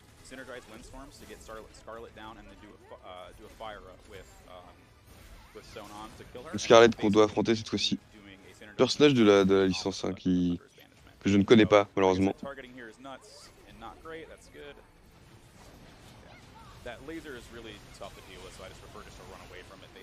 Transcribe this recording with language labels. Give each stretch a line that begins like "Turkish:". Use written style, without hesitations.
English: Synergize Windstorms to get Scarlet down and then do a fire up with Sonon to kill her.
French: Scarlet qu'on doit affronter cette fois-ci. Personnage de la licence 1 qui que je ne connais pas malheureusement.
English: Targeting here is nuts and not great, that's good. That laser is really tough to deal with, so I just prefer just to run away from it.